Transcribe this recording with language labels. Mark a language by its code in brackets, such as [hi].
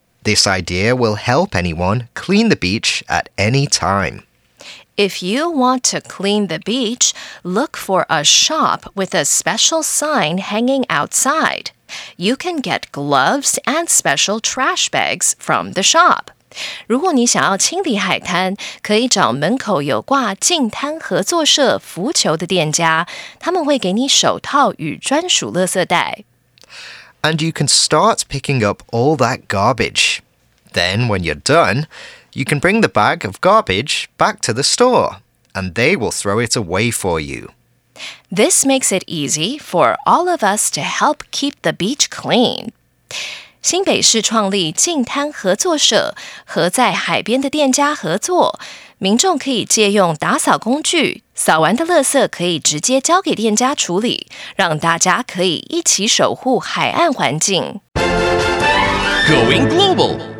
[en] This idea will help anyone clean the beach at any time. If you want to clean the beach, look for a shop with a special sign hanging outside. You can get gloves and special trash bags from the shop. [zh] 如果你想要清理海滩，可以找门口有挂净滩合作社浮球的店家，他们会给你手套与专属垃圾袋。 [en] And you can start picking up all that garbage. Then when you're done, you can bring the bag of garbage back to the store, and they will throw it away for you. This makes it easy for all of us to help keep the beach clean. [zh] 新北市创立净滩合作社，和在海边的店家合作，民众可以借用打扫工具，扫完的垃圾可以直接交给店家处理，让大家可以一起守护海岸环境。 [en] Going global，